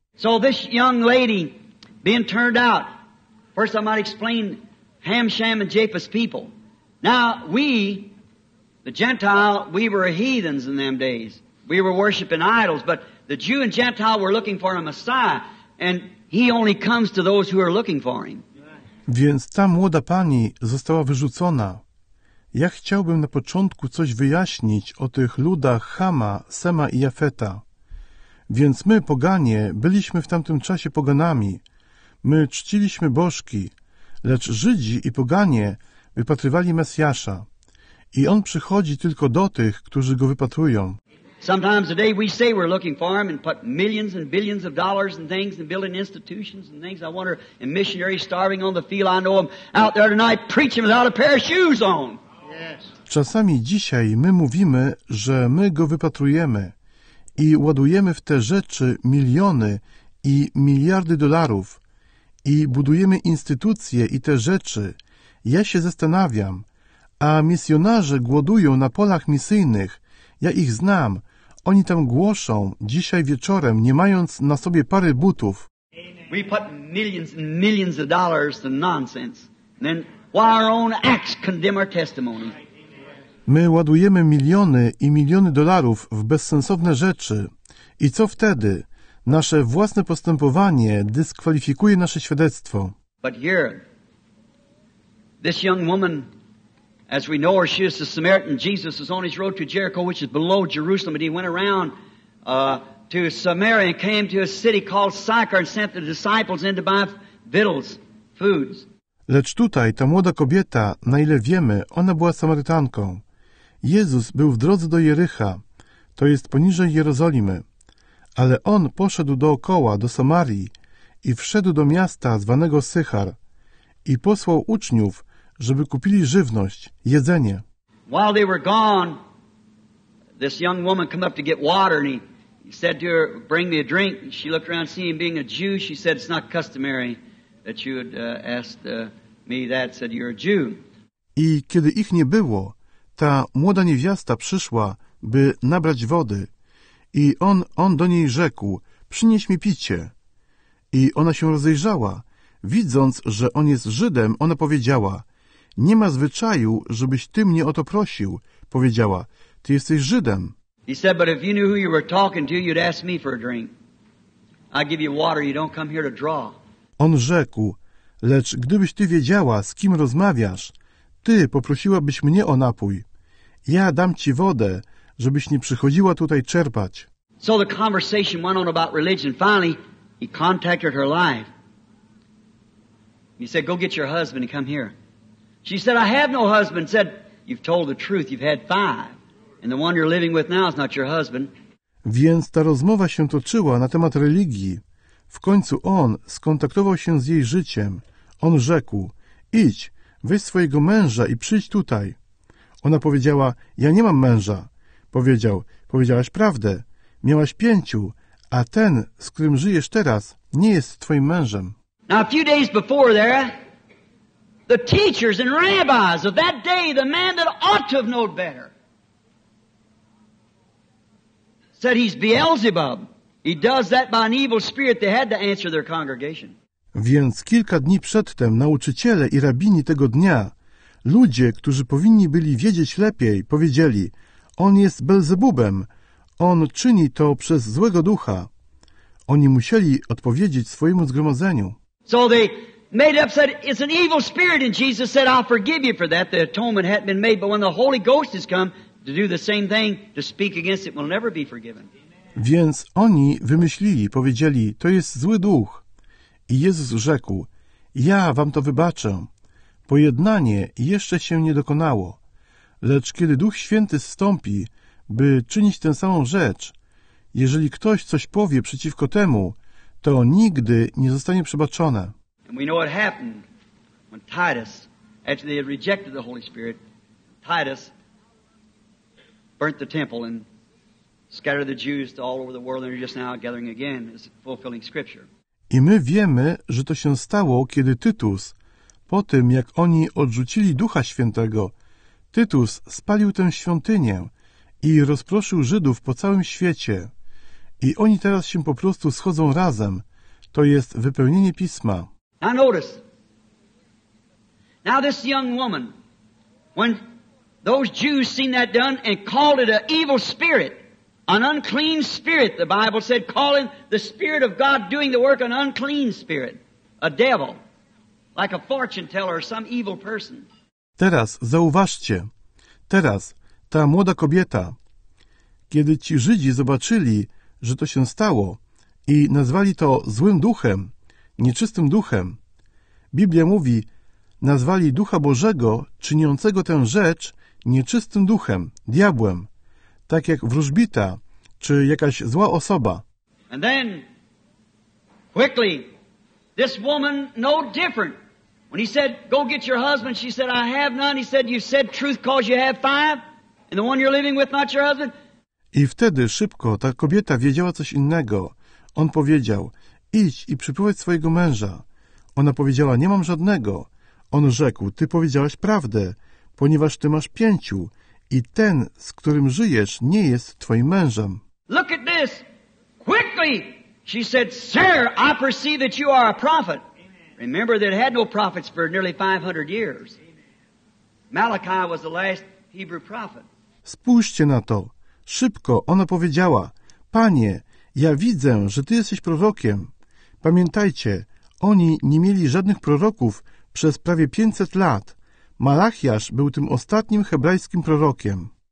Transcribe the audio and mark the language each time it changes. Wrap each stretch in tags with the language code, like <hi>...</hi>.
<en>So this young lady being turned out. First I might explain Ham, Shem and Japheth's people. Now we, the Gentile, we were heathens in them days. We were worshiping idols, but the Jew and Gentile were looking for a Messiah, and he only comes to those who are looking for him.</en> <pl>Więc ta młoda pani została wyrzucona. Ja chciałbym na początku coś wyjaśnić o tych ludach Hama, Sema i Jafeta. Więc my, poganie, byliśmy w tamtym czasie poganami. My czciliśmy bożki, lecz Żydzi i poganie wypatrywali Mesjasza. I on przychodzi tylko do tych, którzy go wypatrują.</pl> <en>Sometimes today we say we're looking for him and put millions and billions of dollars and things and building institutions and things. I wonder, and missionaries starving on the field. I know them out there tonight preaching without a pair of shoes on. Yes.</en> <pl>Czasami dzisiaj my mówimy, że my go wypatrujemy i ładujemy w te rzeczy miliony i miliardy dolarów i budujemy instytucje i te rzeczy. Ja się zastanawiam, a misjonarze głodują na polach misyjnych. Ja ich znam. Oni tam głoszą dzisiaj wieczorem, nie mając na sobie pary butów.</pl> <en>We put millions and millions of dollars to nonsense. Then why our own acts condemn our testimony?</en> <pl>My ładujemy miliony i miliony dolarów w bezsensowne rzeczy. I co wtedy? Nasze własne postępowanie dyskwalifikuje nasze świadectwo.</pl> <en>But here, this young woman, as we know her, she is a Samaritan. Jesus is on his road to Jericho, which is below Jerusalem. And he went around to Samaria and came to a city called Sychar and sent the disciples in to buy victuals, foods.</en> <pl>Lecz tutaj ta młoda kobieta, na ile wiemy, ona była Samarytanką. Jezus był w drodze do Jerycha, to jest poniżej Jerozolimy. Ale on poszedł dookoła, do Samarii i wszedł do miasta zwanego Sychar i posłał uczniów, żeby kupili żywność, jedzenie.</pl> <en>While they were gone, this young woman came up to get water, and he said to her, bring me a drink. And she looked around, seeing him being a Jew, she said, it's not customary that you would ask me that, said, you're a Jew.</en> <pl>I kiedy ich nie było, ta młoda niewiasta przyszła, by nabrać wody. I on do niej rzekł, przynieś mi picie. I ona się rozejrzała, widząc, że on jest Żydem, ona powiedziała, nie ma zwyczaju, żebyś ty mnie o to prosił. Powiedziała, ty jesteś Żydem.</pl> <en>He said, but if you knew who you were talking to, you'd ask me for a drink. I give you water, you don't come here to draw.</en> <pl>On rzekł, lecz gdybyś ty wiedziała, z kim rozmawiasz, ty poprosiłabyś mnie o napój. Ja dam ci wodę, żebyś nie przychodziła tutaj czerpać.</pl> <en>So the conversation went on about religion. Finally, he contacted her life. He said, go get your husband and come here. She said, I have no husband. Said, you've told the truth, you've had five. And the one you're living with now is not your husband.</en> <pl>Więc ta rozmowa się toczyła na temat religii. W końcu on skontaktował się z jej życiem. On rzekł, idź, weź swojego męża i przyjdź tutaj. Ona powiedziała, ja nie mam męża. Powiedział, powiedziałaś prawdę. Miałaś pięciu, a ten, z którym żyjesz teraz, nie jest twoim mężem.</pl> <en>Now a few days before there, the teachers and rabbis of that day, the man that ought to have known better, said he's Beelzebub. He does that by an evil spirit. They had to answer their congregation.</en> <pl>Więc kilka dni przedtem nauczyciele i rabini tego dnia, ludzie, którzy powinni byli wiedzieć lepiej, powiedzieli, on jest Belzebubem. On czyni to przez złego ducha. Oni musieli odpowiedzieć swojemu zgromadzeniu.</pl> <en>So they made up, said, it's an evil spirit, and Jesus said, I'll forgive you for that. The atonement hadn't been made, but when the Holy Ghost has come to do the same thing, to speak against it, will never be forgiven.</en> <pl>Więc oni wymyślili, powiedzieli, to jest zły duch. I Jezus rzekł, ja wam to wybaczę. Pojednanie jeszcze się nie dokonało. Lecz kiedy Duch Święty zstąpi, by czynić tę samą rzecz, jeżeli ktoś coś powie przeciwko temu, to nigdy nie zostanie przebaczone.</pl> <en>And we know what happened when Titus, after they had rejected the Holy Spirit, Titus burnt the temple and scattered the Jews all over the world, and they're just now gathering again, fulfilling Scripture.</en> <pl>I my wiemy, że to się stało, kiedy Tytus, po tym jak oni odrzucili Ducha Świętego, Tytus spalił tę świątynię i rozproszył Żydów po całym świecie. I oni teraz się po prostu schodzą razem. To jest wypełnienie Pisma.</pl> <en>Now notice. Now this young woman, when those Jews seen that done and called it an evil spirit, an unclean spirit, the Bible said, calling the spirit of God doing the work an unclean spirit, a devil, like a fortune teller or some evil person.</en> <pl>Teraz zauważcie, teraz ta młoda kobieta, kiedy ci Żydzi zobaczyli, że to się stało i nazwali to złym duchem, nieczystym duchem, Biblia mówi, nazwali Ducha Bożego, czyniącego tę rzecz, nieczystym duchem, diabłem, tak jak wróżbita, czy jakaś zła osoba.</pl> <en>And then, quickly, this woman, no different. When he said, go get your husband, she said, I have none. He said, you said truth cause you have five, and the one you're living with not your husband.</en> <pl>I wtedy szybko ta kobieta wiedziała coś innego. On powiedział, idź i przyprowadź swojego męża. Ona powiedziała, nie mam żadnego. On rzekł, ty powiedziałaś prawdę, ponieważ ty masz pięciu i ten, z którym żyjesz, nie jest twoim mężem.</pl> <en>Look at this. Quickly, she said, sir, I perceive that you are a prophet. Remember that had no prophets for nearly 500 years. Malachi was the last Hebrew prophet.</en> <pl>Spójrzcie na to. Szybko ona powiedziała, panie, ja widzę, że ty jesteś prorokiem. Pamiętajcie, oni nie mieli żadnych proroków przez prawie 500 lat. Malachiasz był tym ostatnim hebrajskim prorokiem.</pl>